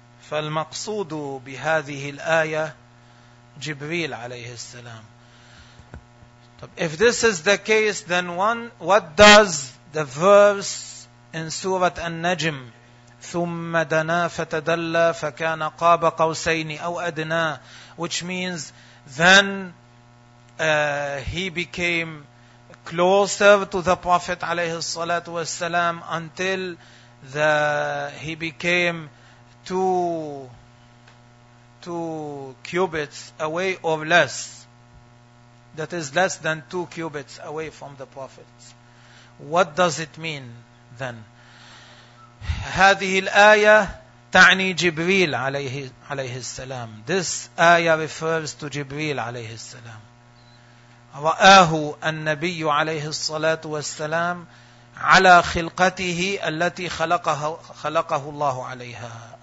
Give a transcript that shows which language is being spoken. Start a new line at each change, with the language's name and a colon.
Arabic: فالمقصود بهذه الآية جبريل عليه السلام.
English: If this is the case, then one, what does the verse in Surah An-Najm,
Arabic: ثُمَّ دَنَا فَتَدَلَّى فَكَانَ قَابَ قَوْسَيْنِ أَوْ أَدْنَى,
English: which means then he became closer to the Prophet
Arabic: عليه الصلاة والسلام
English: until he became two cubits away or less. That is less than 2 cubits away from the Prophet. What does it mean then?
Arabic: هذه الآية تعني جبريل عليه السلام.
English: This ayah refers to جبريل
Arabic: عليه السلام. رآه النبي عليه الصلاة والسلام على خلقته التي خلقه الله عليها.